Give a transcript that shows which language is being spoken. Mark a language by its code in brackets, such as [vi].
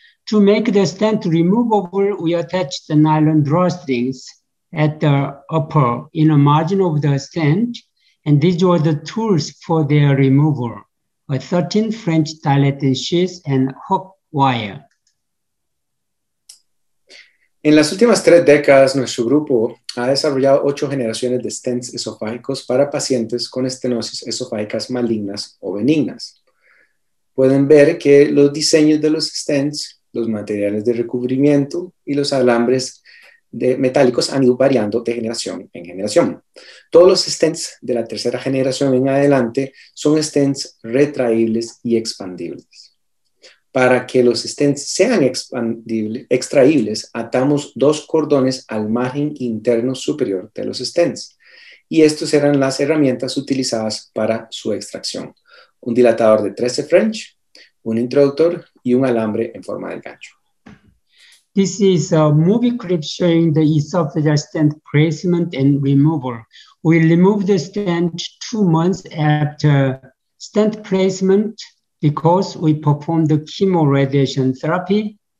[en] To make the stent removable, we attach the nylon drawstrings at the upper inner margin of the stent, and these are the tools for their removal, a 13 French dilating sheath and hook wire. [es] En las últimas 3 décadas, nuestro grupo ha desarrollado 8 generaciones de stents esofágicos para pacientes con estenosis esofágicas malignas o benignas. Pueden ver que los diseños de los stents, los materiales de recubrimiento y los alambres metálicos han ido variando de generación en generación. Todos los stents de la tercera generación en adelante son stents retraíbles y expandibles. Para que los stents sean extraíbles, atamos 2 cordones al margen interno superior de los stents. Y estas eran las herramientas utilizadas para su extracción: un dilatador de 13 French, un introductor y un alambre en forma de gancho. [en] This is a movie clip showing the esophageal stent placement and removal. We removed the stent 2 months after stent placement because we performed the chemoradiation therapy.